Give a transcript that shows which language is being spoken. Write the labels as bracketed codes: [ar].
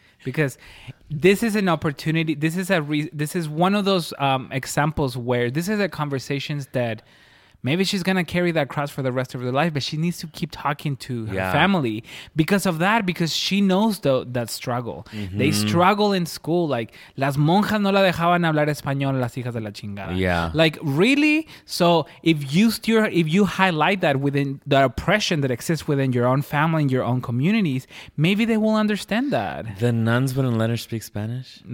[en] Because this is an opportunity. This is this is one of those examples where this is a conversation that maybe she's going to carry that cross for the rest of her life, but she needs to keep talking to her family because of that, because she knows that struggle. Mm-hmm. They struggle in school. [es] Like, las monjas no la dejaban hablar español, las hijas de la chingada. [en] Yeah. Like, really? So if you highlight that within the oppression that exists within your own family and your own communities, maybe they will understand that. The nuns wouldn't let her speak Spanish?